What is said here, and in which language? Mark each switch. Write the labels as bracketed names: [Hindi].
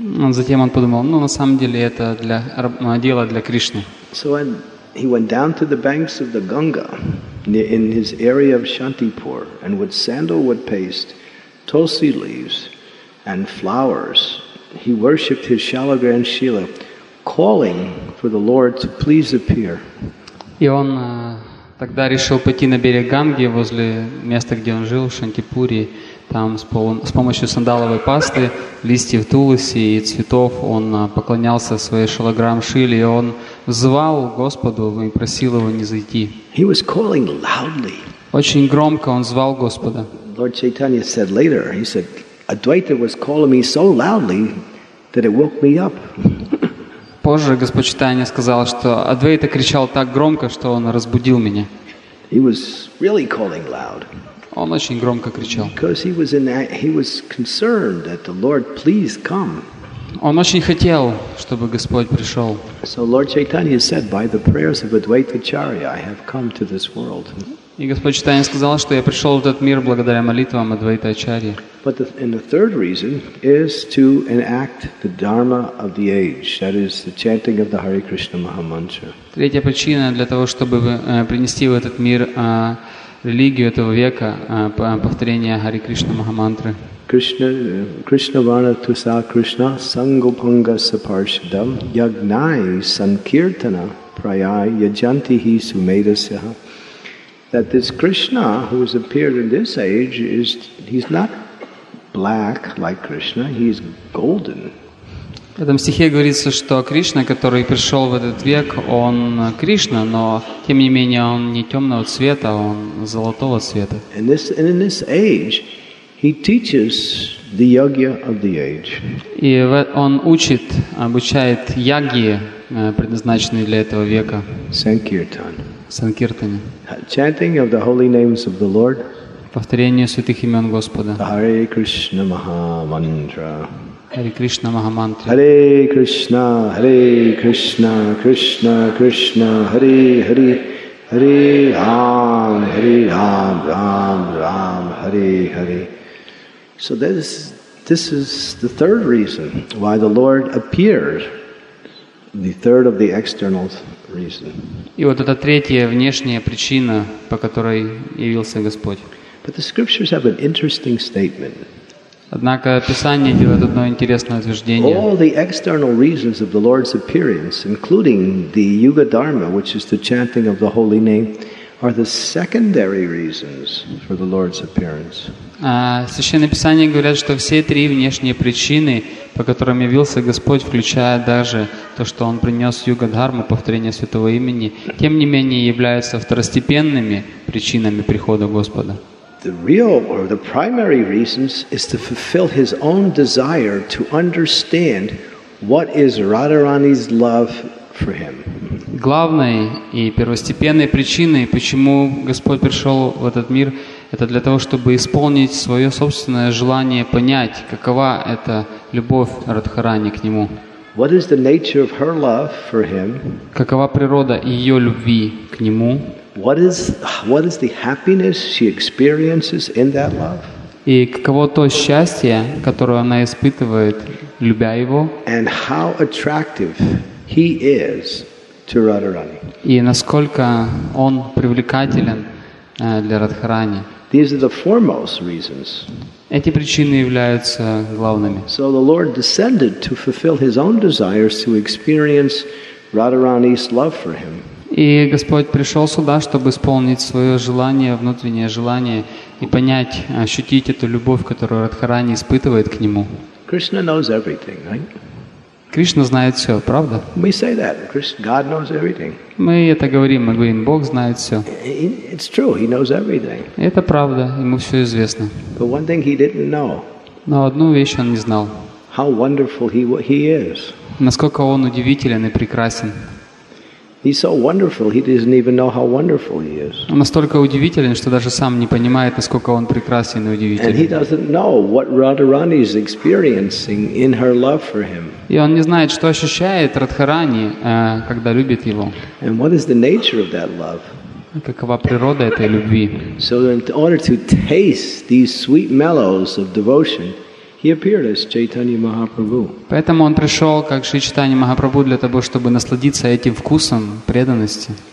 [Russian] Затем он подумал, ну на самом деле это дело для Кришны. [English] So he went down to the banks of the Ganga in his area of Shantipur and with sandalwood paste, tulsi leaves and flowers, he worshipped his Shalagram Shila, calling for the Lord to please appear. [Russian] И он тогда решил пойти на берег Ганги, возле места, где он жил, в Шантипуре. Там с помощью сандаловой пасты, листьев туласи и цветов он поклонялся своей Шалаграм Шиле, и он звал Господу и просил его не зайти. [English] He was calling loudly. [Russian] Очень громко он звал Господа. [English] Lord Chaitanya said later, he said, Advaita was calling me so loudly that it woke me up. [Russian] Позже Господь Чайтанья сказал, что Адвайта кричал так громко, что он разбудил меня. [English] He was really calling loud. [Russian] Он очень громко кричал. [English] Because he was concerned that the Lord please come. [Russian] Он очень хотел, чтобы Господь пришел. [English] So Lord Chaitanya said, by the prayers of Advaita Acharya, I have come to this world. [Russian] И Господь Чайтанья сказал, что я пришел в этот мир благодаря молитвам Адвайта Ачарьи. [English] But the third reason is to enact the dharma of the age, that is the chanting of the Hare Krishna Maha Mantra. [Russian] Третья причина для того, чтобы принести в этот мир религию этого века, повторение Хари Кришна Махамантры. [Sanskrit] Krishna Varna Tusa Krishna Sangopanga Saparshadam Yagnai Sankirtana Prayai Yajantihi Sumedasya. [English] That this Krishna who has appeared in this age is, he's not black like Krishna, he's golden. [Russian] В этом стихе говорится, что Кришна, который пришел в этот век, он Кришна, но тем не менее он не темного цвета, он золотого цвета. [English] He teaches the yagya of the age. [Russian] И он учит, обучает яги, предназначенные для этого века. [Sanskrit] Sankirtan. Sankirtana. [English] Chanting of the holy names of the Lord. [Russian] Повторение святых имен Господа. [Sanskrit] Hare Krishna Mahamantra. Hare Krishna Mahamantra. Hare Krishna, Hare Krishna, Krishna Krishna, Hare Hare. Hare Ram, Hare Ram, Ram Ram, Hare Hare. [English] So this is the third reason why the Lord appeared, the third of the external reason. [Russian] И вот это третья внешняя причина, по которой явился Господь. [English] But the scriptures have an interesting statement. [Russian] Однако Писание делает одно интересное утверждение. [English] All the external reasons of the Lord's appearance, including the Yuga Dharma, which is the chanting of the holy name, are the secondary reasons for the Lord's appearance. [Russian] Священное Писание говорит, что все три внешние причины, по которым явился Господь, включая даже то, что Он принес Юга-Дхарму, повторение Святого Имени, тем не менее являются второстепенными причинами прихода Господа. [English] The real or the primary reasons is to fulfill His own desire to understand what is Radharani's love for Him. [Russian] Главной и первостепенной причиной, почему Господь пришел в этот мир, это для того, чтобы исполнить свое собственное желание понять, какова эта любовь Радхарани к Нему. [English] What is the nature of her love for him? [Russian] Какова природа ее любви к Нему? [English] What is the happiness she experiences in that love? [Russian] И каково то счастье, которое она испытывает, любя Его? [English] And how attractive He is to Radharani. [Russian] И насколько Он привлекателен для Радхарани. [English] These are the foremost reasons. [Russian] Эти причины являются главными. [English] So the Lord descended to fulfill His own desires to experience Radharani's love for Him. [Russian] И Господь пришел сюда, чтобы исполнить свое желание, внутреннее желание и понять, ощутить эту любовь, которую Радхарани испытывает к Нему. [English] Krishna knows everything, right? [Russian] Кришна знает все, правда? [English] We say that. God knows everything. [Russian] Мы это говорим, мы говорим, Бог знает все. [English] It's true. He knows everything. [Russian] Это правда, Ему все известно. [English] But one thing he didn't know. [Russian] Но одну вещь Он не знал. [English] How wonderful he is. [Russian] Насколько Он удивителен и прекрасен. [English] He's so wonderful, he doesn't even know how wonderful he is. [Russian] Он настолько удивителен, что даже сам не понимает, насколько он прекрасен и удивителен. [English] And he doesn't know what Radharani is experiencing in her love for him. [Russian] И он не знает, что ощущает Радхарани, когда любит его. [English] And what is the nature of that love? [Russian] Какова природа этой любви? [English] So in order to taste these sweet mellows of devotion, He appeared as Chaitanya Mahaprabhu. [Russian] Поэтому он пришел как Шри Чайтанья Махапрабху для того, чтобы насладиться этим вкусом преданности.